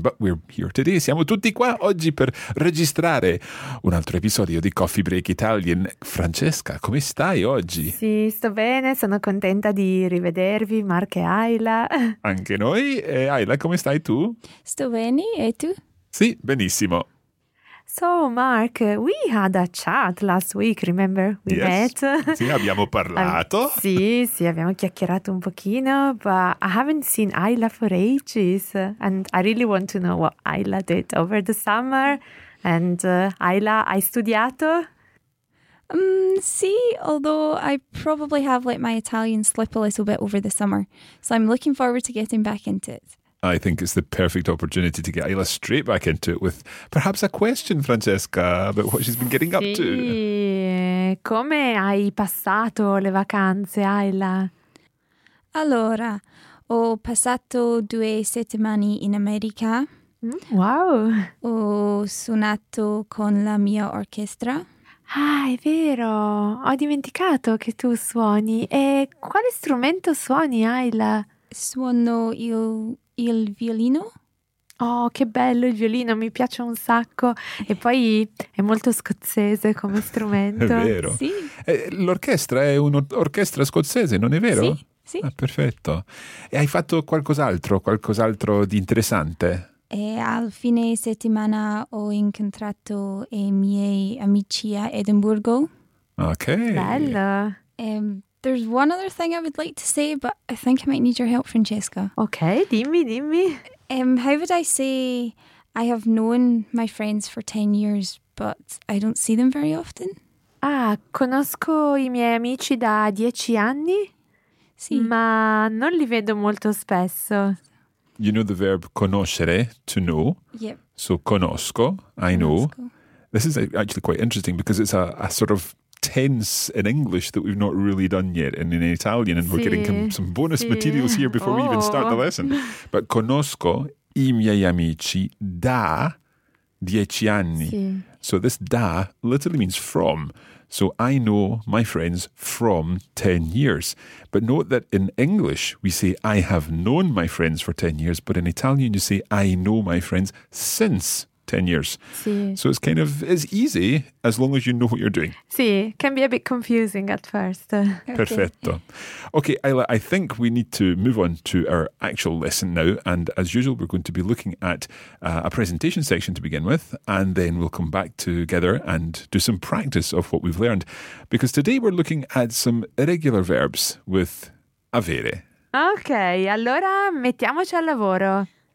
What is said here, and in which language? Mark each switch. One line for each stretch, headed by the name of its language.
English: But we're here today.
Italian: Siamo tutti qua oggi per registrare un altro episodio di Coffee Break Italian. Francesca, come stai oggi? Sì, sto bene. Sono contenta di rivedervi, Mark e Ayla. Anche noi. E Ayla, come stai tu? Sto bene, e tu? Sì, benissimo.
English: So, Mark, we had a chat last week, remember? We
Italian: met. Sì, abbiamo parlato. Sì, abbiamo chiacchierato un pochino,
English: but I haven't seen Ayla for ages, and I really want to know what Ayla did over the summer.
Italian: And Ayla, hai studiato?
English: Sì, although I probably have let my Italian slip a little bit over the summer, so I'm looking forward to getting back into it. I think it's the perfect opportunity to get Ayla straight back into it with perhaps a question, Francesca, about what she's been getting up to.
Italian: Come hai passato le vacanze, Ayla? Allora, ho passato 2 settimane in America. Wow! Ho suonato con la mia orchestra. Ah, è vero! Ho dimenticato che tu suoni. E quale strumento suoni, Ayla? Suono il violino. Oh, che bello il violino, mi piace un sacco. E poi è molto scozzese come strumento. È vero. Sì. L'orchestra è un'orchestra scozzese, non è vero? Sì, sì. Ah, perfetto. E hai fatto qualcos'altro di interessante? E al fine settimana ho incontrato i miei amici a Edimburgo. Ok. Bello.
English: There's one other thing I would like to say, but I think I might need your help, Francesca.
Italian: Okay, dimmi.
English: How would I say I have known my friends for 10 years, but I don't see them very often?
Italian: Ah, conosco i miei amici da 10 anni? Sì. Ma non li vedo molto spesso.
English: You know the verb conoscere, to know? Yep. So conosco, I know. This is actually quite interesting because it's a sort of tense in English that we've not really done yet and in Italian, and
Italian: sì,
English: we're getting some bonus
Italian: sì
English: materials here before we even start the lesson.
Italian: But conosco i miei amici da 10 anni. Sì.
English: So this da literally means from. So I know my friends from 10 years. But note that in English we say I have known my friends for 10 years, but in Italian you say I know my friends since 10 years. Sí. So it's kind of, it's easy as long as you know what you're doing. Sí, can be a bit confusing at first.
Italian: Perfecto.
English: Okay, Ayla, I think we need to move on to our actual lesson now. And as usual, we're going to be looking at a presentation section to begin with. And then we'll come back together and do some practice of what we've learned. Because today we're looking at some irregular verbs with avere.
Italian: Okay, allora mettiamoci al lavoro.